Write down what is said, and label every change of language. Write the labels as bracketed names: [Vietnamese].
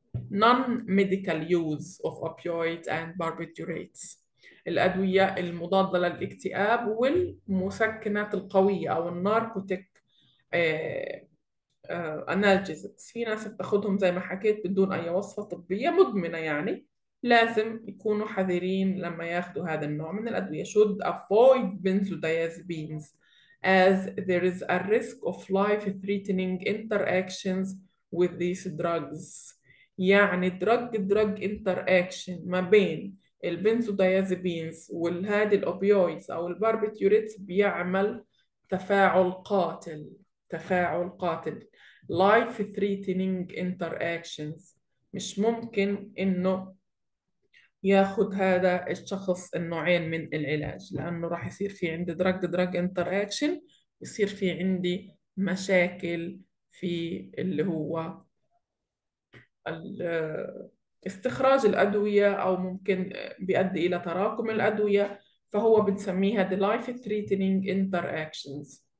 [English] non medical use of opioids and barbiturates، [Arabic] الأدوية المضادة للاكتئاب والمسكنات القوية أو الناركوتيك analgesics، في ناس بتاخدهم زي ما حكيت بدون أي وصفة طبية مدمنة، يعني لازم يكونوا حذرين لما ياخدوا هذا النوع من الأدوية. [English] should avoid benzodiazepines as there is a risk of life threatening interactions with these drugs، [Arabic] يعني drug interaction ما بين البنزودايازبينز والهادي الأوبيويدز أو الباربيتوريتس بيعمل تفاعل قاتل، تفاعل قاتل، [English] life threatening interactions، [Arabic] مش ممكن انه ياخذ هذا الشخص النوعين من العلاج، لانه راح يصير في عندي دراج دراج انتر اكشن، يصير في عندي مشاكل في اللي هو استخراج الادويه، او ممكن بيؤدي الى تراكم الادويه، فهو بنسميها [English] the life threatening interactions.